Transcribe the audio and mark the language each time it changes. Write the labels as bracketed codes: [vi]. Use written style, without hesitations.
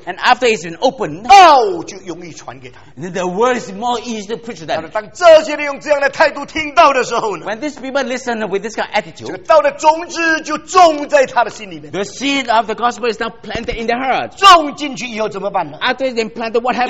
[en] and after it's been opened, [zh] 道就容易传给他。 [en] The word is more easy to preach to them. [zh] 当这些人用这样的态度听到的时候呢, [en] when these people listen with this kind of attitude, [zh] 这个道的种子就种在他的心里面。 [en] The seed of the gospel is now planted in their heart. [zh] 种进去以后怎么办呢? [en] After it's been planted, what happens?